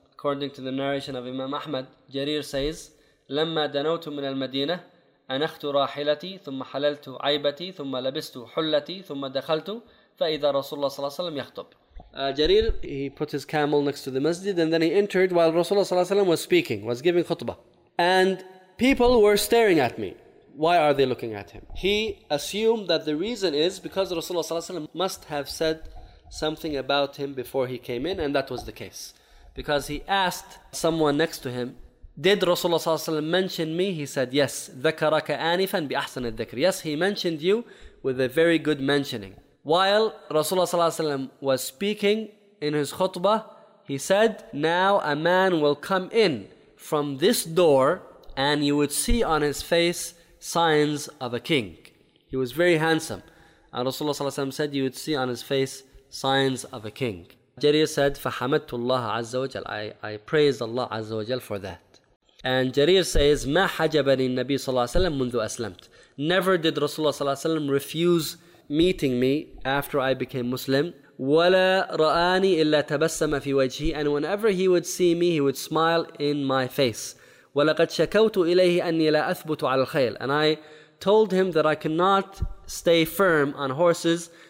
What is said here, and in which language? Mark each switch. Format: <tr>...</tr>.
<en>According to the narration of Imam Ahmad, Jarir says,</en> <ar>لما دنوت من المدينة أنخت راحلتي ثم حللت عيبتي ثم لبست حلتي ثم دخلت فإذا رسول الله صلى الله عليه وسلم يخطب.</ar> <en>Jarir, he put his camel next to the masjid, and then he entered while Rasulullah sallallahu alaihi wasallam was speaking, was giving khutbah. And people were staring at me. Why are they looking at him? He assumed that the reason is because Rasulullah sallallahu alaihi wasallam must have said something about him before he came in, and that was the case. Because he asked someone next to him, did Rasulullah sallallahu alaihi wasallam mention me? He said, yes.</en> <ar>ذَكَرَكَ آنِفًا بِأَحْسَنِ الذِّكْرِ.</ar> <en>Yes, he mentioned you with a very good mentioning. While Rasulullah sallallahu alaihi wasallam was speaking in his khutbah, he said, now a man will come in from this door and you would see on his face signs of a king. He was very handsome. And Rasulullah sallallahu alaihi wasallam said, you would see on his face signs of a king. Jarir said,</en> <ar>فَحَمَدْتُ اللَّهَ عَزَّ وَجَلَ.</ar> <en>I praised Allah عَزَّ وَجَلَ for that. And Jarir says,</en> <ar>مَا حَجَبَنِي النَّبِي صَلَّى اللَّهُ عَلَيْهِ وَسَلَّمَ مُنْذُ أَسْلَمْتُ.</ar> <en>Never did Rasulullah sallallahu alaihi wasallam refuse meeting me after I became Muslim.</en> <ar>وَلَا رَآنِي إِلَّا تَبَسَّمَ فِي وَجْهِي.</ar> <en>And whenever he would see me, he would smile in my face.</en> <ar>وَلَقَدْ شَكَوْتُ إِلَيْهِ أَنِّي لَا أَثْبُتُ عَلَى الْخَيْلِ.</ar> <en>And I told him that I cannot stay firm on horses.</en>